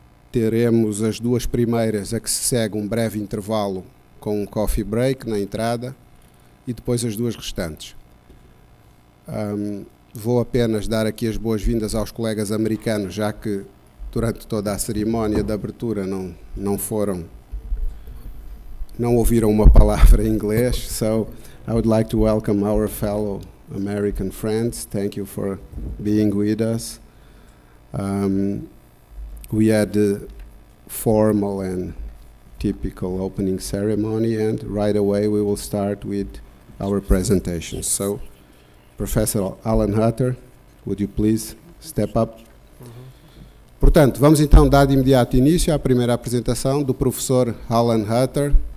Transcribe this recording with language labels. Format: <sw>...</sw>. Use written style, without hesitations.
<pt>Teremos as duas primeiras, a que se segue um breve intervalo com um coffee break na entrada, e depois as duas restantes. Vou apenas dar aqui as boas-vindas aos colegas americanos, já que durante toda a cerimónia de abertura não ouviram uma palavra em inglês.</pt> <en>So, I would like to welcome our fellow American friends. Thank you for being with us. We had the formal and typical opening ceremony, and right away we will start with our presentation. So, Professor Alan Hutter, would you please step up?</en> <pt>Portanto, vamos então dar de imediato início à primeira apresentação do professor Alan Hutter.</pt>